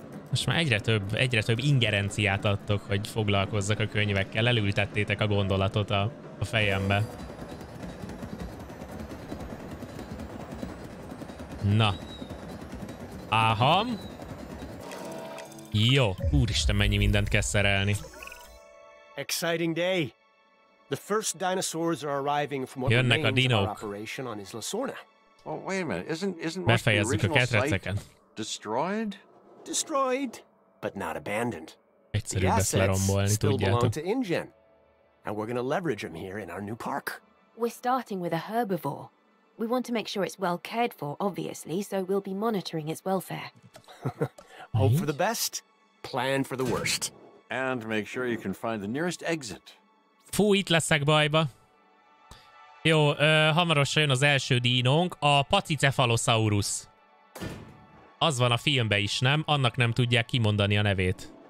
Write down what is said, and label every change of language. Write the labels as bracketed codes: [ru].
[hu] Most már egyre több ingerenciát adtok, hogy foglalkozzak a könyvekkel. Elültettétek a gondolatot a fejembe. Na. Aha. Jó. Úristen, mennyi mindent kell szerelni. [en] Exciting day. The first dinosaurs are arriving from what remains of our operation on Isla Sorna. Well, wait a minute. Isn't most the original site destroyed? Destroyed, but not abandoned. [hu] Egyszerűbb ezt lerombolni, tudjátok. [en] And we're going to leverage them here in our new park. We're starting with a herbivore. We want to make sure it's well cared for, obviously, so we'll be monitoring its welfare. Hope for the best, plan for the worst. And make sure you can find the nearest exit. [hu] Fú, itt leszek bajba. Jó, hamarosan jön az első dínónk, a Pachycephalosaurus. Az van a filmben is, nem? Annak nem tudják kimondani a nevét.